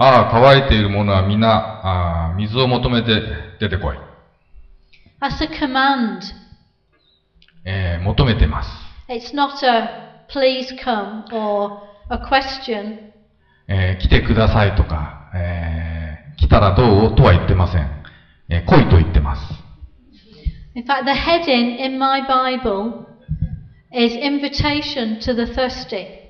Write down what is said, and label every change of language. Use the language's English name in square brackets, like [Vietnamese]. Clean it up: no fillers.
[Japanese] 乾いている者は皆、水を求めて出てこい。 [English] That's a command. [Japanese] 求めてます。 [English] It's not a please come or a question. [Japanese] 来てくださいとか、来たらどうとは言ってません。来いと言ってます。 [English] In fact, the heading in my Bible is invitation to the thirsty.